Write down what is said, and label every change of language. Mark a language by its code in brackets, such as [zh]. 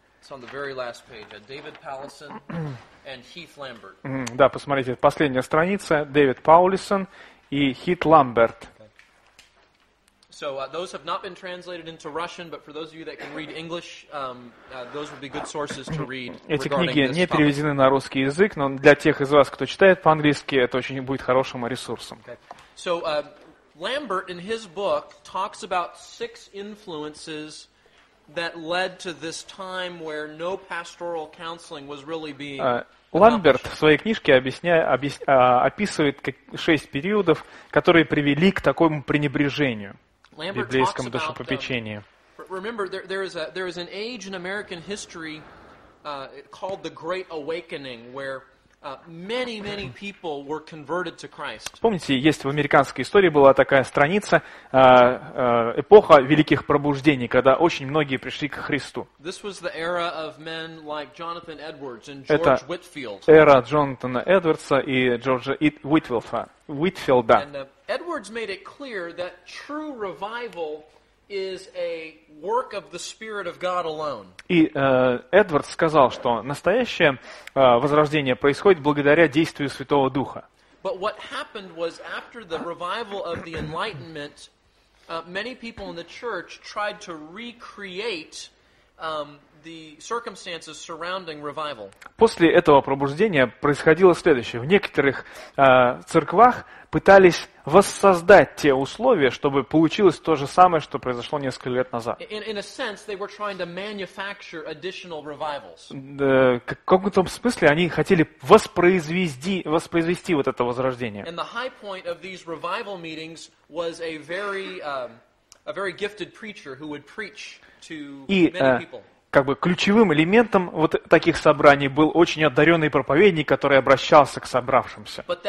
[ru] Да, посмотрите, последняя страница. Дэвид Паулисон и Хит Ламберт. [en] So those have not been translated into Russian, but for those of you that can read English, those would be good sources to read. [ru] Эти книги не переведены на русский язык, но для тех из вас, кто читает по-английски, это очень будет хорошим ресурсом. [en] Okay. So Lambert in his book talks about six influences that led to this time where no pastoral counseling was really being. [ru] Ламберт в своей книжке описывает шесть периодов, которые привели к такому пренебрежению. Библейском душепопечении. [en] Remember, there is an age in American history called the Great Awakening, where many people were converted to Christ. [ru] Помните, есть в американской истории была такая страница, эпоха великих пробуждений, когда очень многие пришли к Христу. [en] This was the era of men like Jonathan Edwards and George [ru] Это [en] Whitfield. [ru] Эра Джонатана Эдвардса и Джорджа Уитфилда. [en] Edwards made it clear that true revival is a work of the Spirit of God alone. [ru] И Эдвардс сказал, что настоящее возрождение происходит благодаря действию Святого Духа. [en] But what happened was after the revival of the Enlightenment, many people in the church tried to recreate the circumstances surrounding revival. [ru] После этого пробуждения происходило следующее. В некоторых церквах пытались воссоздать те условия, чтобы получилось то же самое, что произошло несколько лет назад. [en] In a sense, they were trying to manufacture additional revivals. [ru] В каком-то смысле они хотели воспроизвести вот это возрождение. [en] And the high point of these revival meetings was a very gifted preacher who would preach to many people. [ru] Как бы ключевым элементом вот таких собраний был очень одаренный проповедник, который обращался к собравшимся.